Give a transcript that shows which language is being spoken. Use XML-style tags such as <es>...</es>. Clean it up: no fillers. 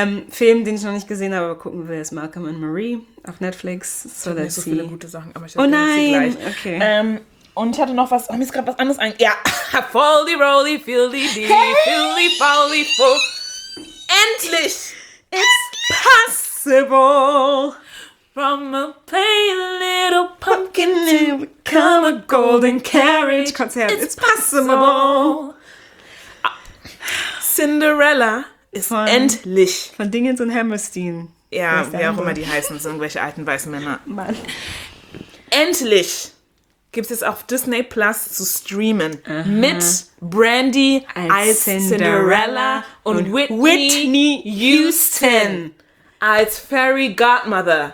<de>Film, den ich noch nicht gesehen habe, aber gucken wir, ist Malcolm and Marie auf Netflix. So, ich nicht so viele gute Sachen, aber ich sehe nein! Okay. Und ich hatte noch was, mir ist gerade was anderes eingefallen. Ja, Foldy, Roly, Fieldy, Dee, Fieldy, Foldy, Fo. Endlich!</de> <en>It's possible! From a plain little pumpkin to become a golden carriage. Konzert. It's possible!</en> <de>Cinderella ist von, endlich. Von Dingens und Hammerstein. Ja, wie auch immer die heißen, sind irgendwelche alten weißen Männer. Mann. Endlich gibt es auf Disney Plus zu streamen. Aha. Mit Brandy als Cinderella und Whitney Houston als Fairy Godmother.</de>